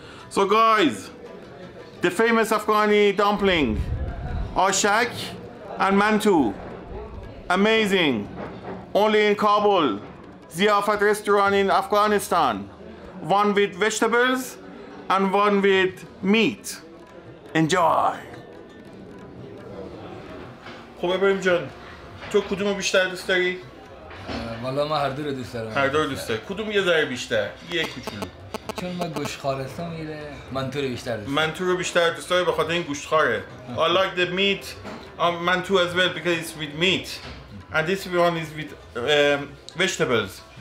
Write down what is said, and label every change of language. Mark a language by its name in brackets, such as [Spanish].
[English] So guys, the famous Afghani dumpling, Aushak and Mantu, amazing, only in Kabul, Ziyafat restaurant in Afghanistan, one with vegetables and one with meat, enjoy. [Persian] خب ابراهیم جان، تو کدومو بیشتر دوست داری؟ والا من هر دو رو دوست دارم. هر دو رو دوست داری، کدوم یه ذره بیشتر؟ یه کوچولو. چون من گوشتخارستا میره منتو رو بیشتر دوست دارم. منتو رو بیشتر دوست دارم بخاطر این گوشتخاره. [English] I like the meat منتو as well because it's with meat and this one is with vegetables.